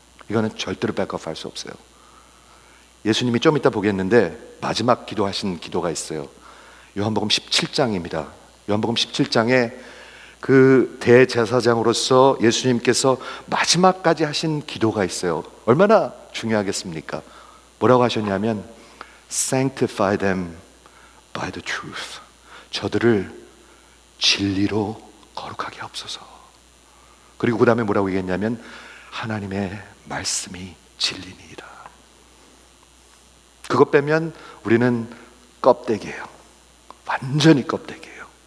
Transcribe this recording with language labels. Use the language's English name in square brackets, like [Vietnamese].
[Korean] 이거는 절대로 백업할 수 없어요. 예수님이 좀 이따 보겠는데 마지막 기도하신 기도가 있어요. 요한복음 17장입니다. 요한복음 17장에 그 대제사장으로서 예수님께서 마지막까지 하신 기도가 있어요. 얼마나 중요하겠습니까? 뭐라고 하셨냐면 [English] Sanctify them by the truth. [Korean] 저들을 진리로 거룩하게 하옵소서. 그리고 그 다음에 뭐라고 얘기했냐면 하나님의 말씀이 진리니이다. 그것 빼면 우리는 껍데기예요. 완전히 껍데기예요.